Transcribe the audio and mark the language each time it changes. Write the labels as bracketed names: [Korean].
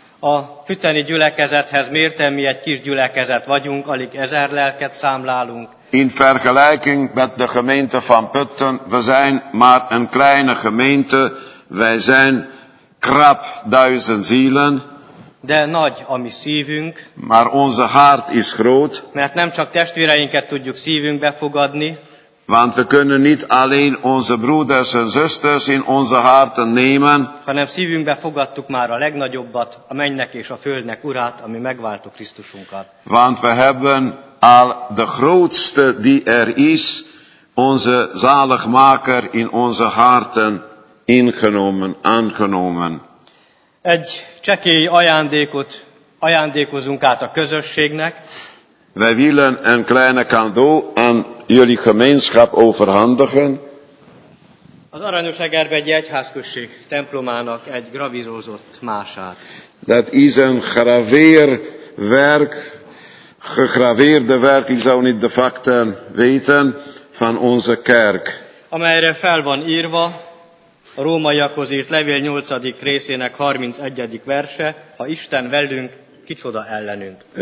[Hungarian] A füteni gyülekezethez mérten mi egy kis gyülekezet vagyunk, alig 1000 lelket számlálunk. [Dutch] In vergelijking met de gemeente van Putten, we zijn maar een kleine gemeente, wij zijn krap 1000 zielen. [Hungarian] De nagy a mi szívünk. [Dutch] Maar onze hart is groot. [Hungarian] Mert nem csak testvéreinket tudjuk szívünkbe fogadni. [Dutch] Want we kunnen niet alleen onze broeders en zusters in onze harten nemen. [Hungarian] Hanem szívünkbe fogadtuk már a legnagyobbat, a mennynek és a földnek urát, ami megváltó Krisztusunkat. [Dutch] Want we hebben al de grootste die er is, onze zaligmaker in onze harten ingenomen, aangenomen. [Hungarian] Egy csekély ajándékot ajándékozunk át a közösségnek. [Dutch] Wij willen een kleine cadeau aan jullie gemeenschap overhandigen. [Hungarian] Az Aranyos-Egerbegyi egyházközség templomának egy gravírozott mását. [Dutch] Dat is een graveerwerk, gegraveerde werk, ik zou niet de facten weten, van onze kerk. [Hungarian] Amelyre fel van írva a rómaiakhoz írt levél 8. részének 31. verse, ha Isten velünk, kicsoda ellenünk.